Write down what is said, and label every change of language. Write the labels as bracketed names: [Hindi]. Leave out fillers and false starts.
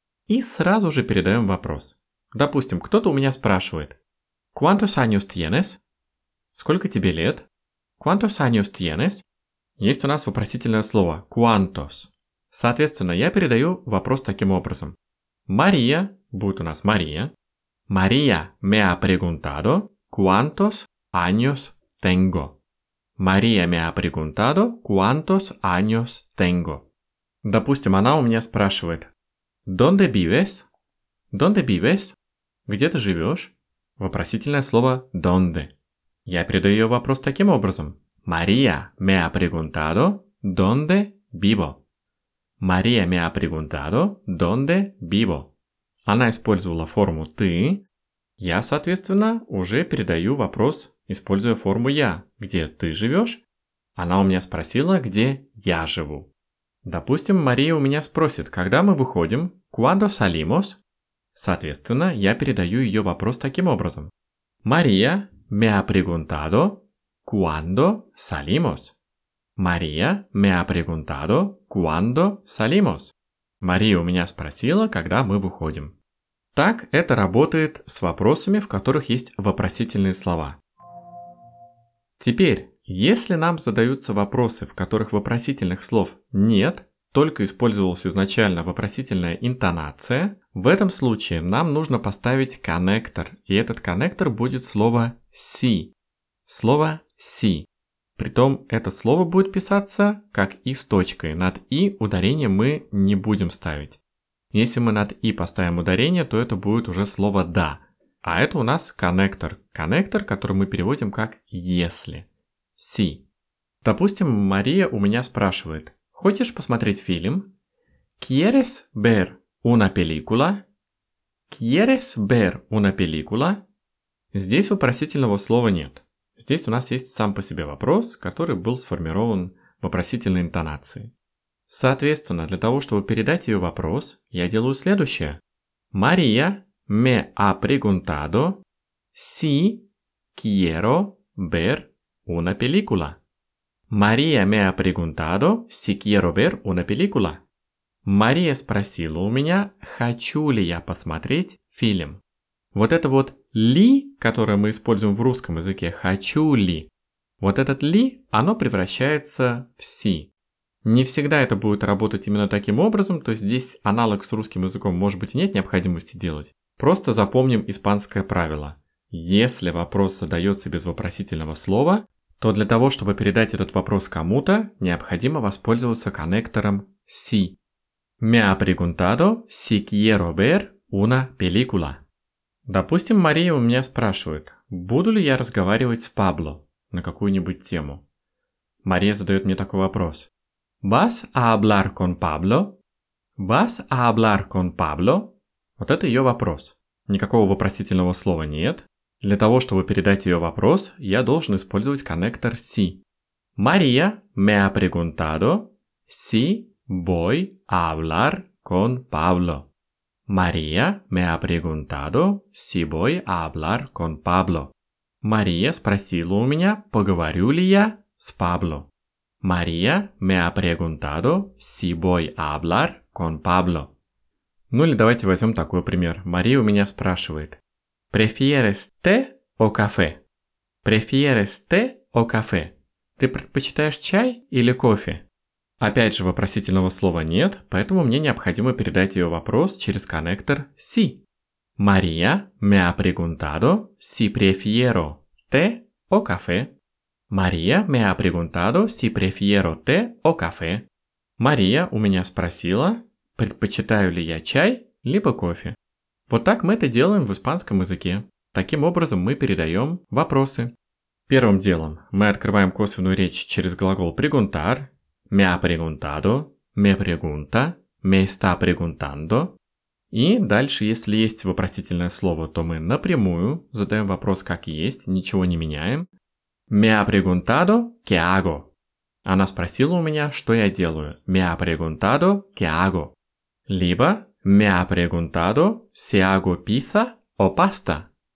[Russian] И сразу же передаем вопрос. Допустим, кто-то у меня спрашивает. [Spanish] ¿Cuántos años tienes? [Russian] Сколько тебе лет? [Spanish] ¿Cuántos años tienes? [Russian] Есть у нас вопросительное слово ¿Cuántos? Соответственно, я передаю вопрос таким образом. Мария, будет у нас Мария. [Spanish] Мария me ha preguntado cuántos años tengo. Мария me ha preguntado cuántos años tengo. [Russian] Допустим, она у меня спрашивает. [Spanish] ¿Dónde vives? ¿Dónde vives? [Russian] Где ты живешь? Вопросительное слово ¿Dónde? Я передаю ее вопрос таким образом. [Spanish] Мария me ha preguntado ¿Dónde vivo? Мария me ha preguntado ¿Dónde vivo? [Russian] Она использовала форму ты. Я, соответственно, уже передаю вопрос, используя форму я. Где ты живешь? Она у меня спросила, где я живу. Допустим, Мария у меня спросит, когда мы выходим? [Spanish] ¿Cuándo salimos? [Russian] Соответственно, я передаю ее вопрос таким образом. [Spanish] Мария me ha preguntado ¿Cuándo salimos? Мария me ha preguntado ¿Cuándo salimos? [Russian] Мария у меня спросила, когда мы выходим. Так это работает с вопросами, в которых есть вопросительные слова. Теперь, если нам задаются вопросы, в которых вопросительных слов нет, только использовалась изначально вопросительная интонация, в этом случае нам нужно поставить коннектор, и этот коннектор будет слово «see». Слово «see». Притом это слово будет писаться как «и» с точкой. Над «и» ударение мы не будем ставить. Если мы над «и» поставим ударение, то это будет уже слово «да». А это у нас коннектор. Коннектор, который мы переводим как «если». «See». Допустим, Мария у меня спрашивает. Хочешь посмотреть фильм? [Spanish] ¿Quieres ver una película? ¿Quieres ver una película? [Russian] Здесь вопросительного слова нет. Здесь у нас есть сам по себе вопрос, который был сформирован вопросительной интонацией. Соответственно, для того, чтобы передать ее вопрос, я делаю следующее. [Spanish] Мария me ha preguntado si quiero ver una película. Мария me ha preguntado si quiero ver una película. [Russian] Мария спросила у меня, хочу ли я посмотреть фильм. Вот это вот «ли», которое мы используем в русском языке, «хочу ли», вот этот «ли», оно превращается в «си». Не всегда это будет работать именно таким образом, то есть здесь аналог с русским языком, может быть, и нет необходимости делать. Просто запомним испанское правило. Если вопрос задается без вопросительного слова, то для того, чтобы передать этот вопрос кому-то, необходимо воспользоваться коннектором «си». [Spanish] «Me ha preguntado si quiero ver una película». [Russian] Допустим, Мария у меня спрашивает, буду ли я разговаривать с Пабло на какую-нибудь тему. Мария задает мне такой вопрос. [Spanish] ¿Vas a hablar con Pablo? ¿Vas a hablar con Pablo? [Russian] Вот это ее вопрос. Никакого вопросительного слова нет. Для того, чтобы передать ее вопрос, я должен использовать коннектор «si». [Spanish] Мария me ha preguntado si voy a hablar con Pablo. Мария me ha preguntado si voy a hablar con Pablo. [Russian] Мария спросила у меня, поговорю ли я с Пабло. [Spanish] Мария me ha preguntado si voy a hablar con Pablo. [Russian] Ну или давайте возьмем такой пример. Мария у меня спрашивает. [Spanish] ¿Prefieres té o café? ¿Prefieres té o café? [Russian] Ты предпочитаешь чай или кофе? Опять же, вопросительного слова нет, поэтому мне необходимо передать ее вопрос через коннектор «si». [Spanish] Мария me ha preguntado si prefiero té o café. Мария me ha preguntado si prefiero té o café. [Russian] Мария у меня спросила, предпочитаю ли я чай либо кофе. Вот так мы это делаем в испанском языке. Таким образом мы передаем вопросы. Первым делом мы открываем косвенную речь через глагол «preguntar». [Spanish] Me ha preguntado, me pregunta, me está preguntando. [Russian] И дальше, если есть вопросительное слово, то мы напрямую задаем вопрос как есть, ничего не меняем. [Spanish] Me ha preguntado, ¿qué hago? [Russian] Она спросила у меня, что я делаю. [Spanish] Me ha preguntado, ¿qué hago? Либо me ha preguntado, si hago pizza o pasta.